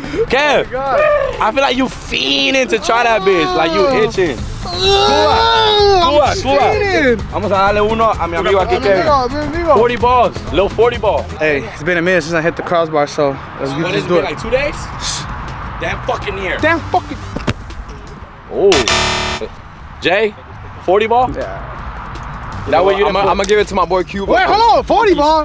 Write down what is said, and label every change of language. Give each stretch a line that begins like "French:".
English: Kev, oh I feel like you fiending to try that bitch. Like you itching. Cuba.
Spanish: Vamos a darle uno a mi amigo aquí, Kevin. Amigo.
English: 40 balls. Little 40 ball. Hey, it's been a minute since I hit the crossbar, so let's what get this door. What is it, been like 2 days? Damn fucking near. Damn fucking. Oh. Jay, 40 ball? Yeah. That way you didn't I'm gonna give it to my boy Cuba. Wait, hold on, 40 ball.